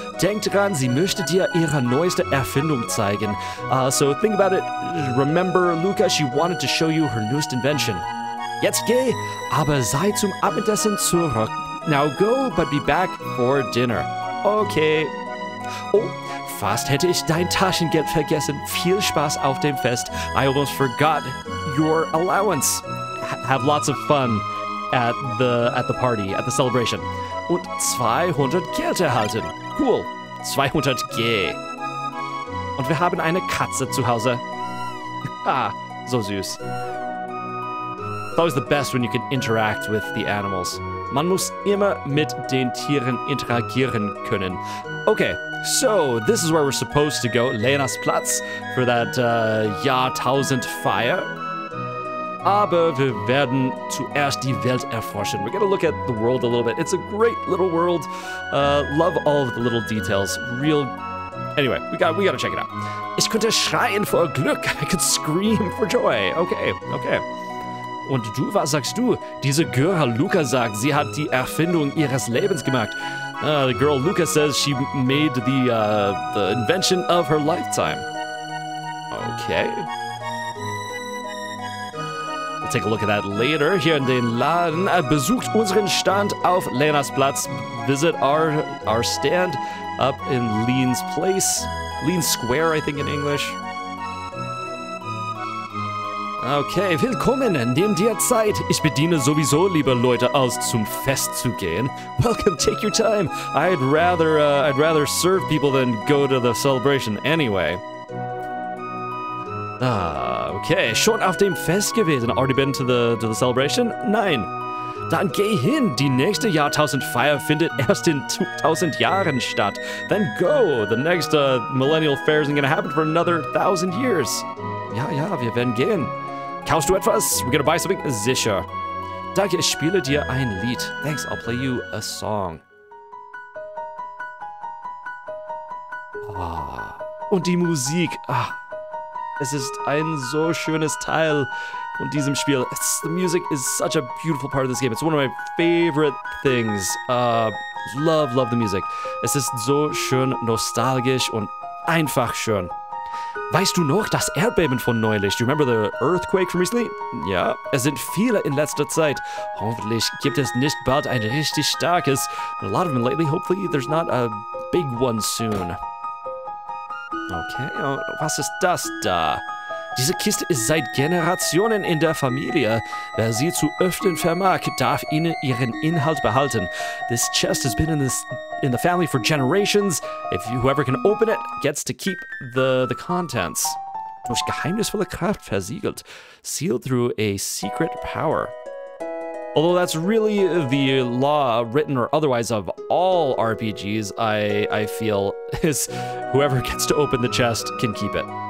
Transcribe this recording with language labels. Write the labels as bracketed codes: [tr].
[de] Denk dran, sie möchte dir ihre neueste Erfindung zeigen. [en] So think about it. Remember, Luca, she wanted to show you her newest invention. [de] Jetzt geh, aber sei zum Abendessen zurück. [en] Now go, but be back for dinner. Okay. [de] Oh, fast hätte ich dein Taschengeld vergessen. Viel Spaß auf dem Fest. [en] I almost forgot your allowance. Have lots of fun at the party, at the celebration. [de] Und 200 Geld erhalten. Cool. 200 G. Und wir haben eine Katze zu Hause. Ah, so süß. [en] It's always the best when you can interact with the animals. [de] Man muss immer mit den Tieren interagieren können. [en] Okay, so this is where we're supposed to go. Lena's Platz for that Jahrtausendfeier. [de] Aber wir werden zuerst die Welt erforschen. [en] We're gonna look at the world a little bit. It's a great little world. Love all of the little details. Anyway, we gotta check it out. [de] Ich könnte schreien vor Glück. [en] I could scream for joy. Okay. [de] Und du, was sagst du? Diese Girl Luca sagt, sie hat die Erfindung ihres Lebens gemacht. [en] The girl Luca says she made the invention of her lifetime. Okay. We'll take a look at that later. [de] Hier in den Laden. Besucht unseren Stand auf Lenas Platz. [en] Visit our stand up in Lean's place. Lean Square, I think, in English. [de] Okay, willkommen. Nimm dir Zeit. Ich bediene sowieso lieber Leute, als zum Fest zu gehen. [en] Welcome, take your time. I'd rather serve people than go to the celebration anyway. [de] Ah, okay. Schon auf dem Fest gewesen. [en] Already been to the celebration? [de] Nein. Dann geh hin, die nächste Jahrtausendfeier findet erst in 2000 Jahren statt. [en] Then go, the next millennial fair isn't gonna happen for another 1000 years. [de] Ja, ja, wir werden gehen. Kaufst du etwas? [en] We're gonna buy something? [de] Sicher. Danke, ich spiele dir ein Lied. [en] Thanks, I'll play you a song. [de] Oh. Und die Musik. Ah. Es ist ein so schönes Teil von diesem Spiel. [en] The music is such a beautiful part of this game. It's one of my favorite things. Love, love the music. [de] Es ist so schön nostalgisch und einfach schön. Weißt du noch das Erdbeben von neulich? [en] Do you remember the earthquake from recently? [de] Ja, es sind viele in letzter Zeit. Hoffentlich gibt es nicht bald ein richtig starkes. [en] But a lot of them lately, hopefully there's not a big one soon. [de] Okay, was ist das da? Diese Kiste ist seit Generationen in der Familie. Wer sie zu öffnen vermag, darf ihnen ihren Inhalt behalten. [en] This chest has been in the family for generations. If whoever can open it gets to keep the contents. [de] Durch geheimnisvolle Kraft versiegelt. [en] Sealed through a secret power. Although that's really the law, written or otherwise, of all RPGs, I feel, is whoever gets to open the chest can keep it.